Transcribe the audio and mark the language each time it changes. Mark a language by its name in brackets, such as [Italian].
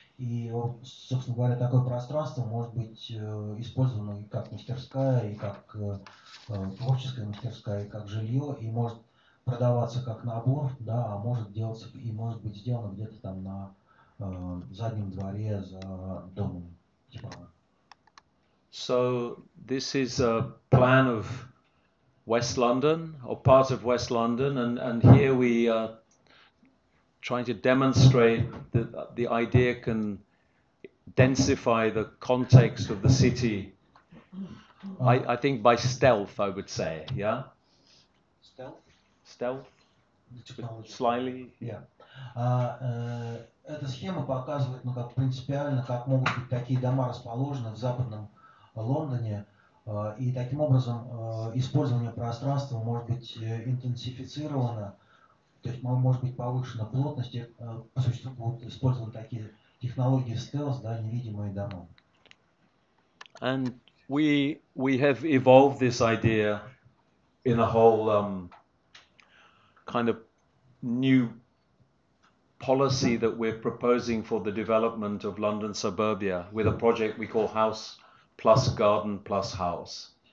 [Russian] И, собственно говоря, такое пространство может быть использовано и как мастерская, и как творческая мастерская, и как жилье, и может продаваться как набор, да, а может делаться и может быть сделано где-то там на заднем дворе за домом. [English] So this is a plan of West London or part of West London, and here we are trying to demonstrate that the idea can densify the context of the city. I think by stealth, I would say, yeah. Stealth. Stealth. Slightly. [Russian] Эта схема показывает, ну, как принципиально, как могут быть такие дома расположены в западном Лондоне. И таким образом использование пространства может быть интенсифицировано, то есть может быть повышена плотность, будут использованы такие технологии стелс, да, невидимые дома. [English] And we have evolved this idea in a whole kind of new policy that we're proposing for the development of London suburbia with a project we call House plus garden plus house.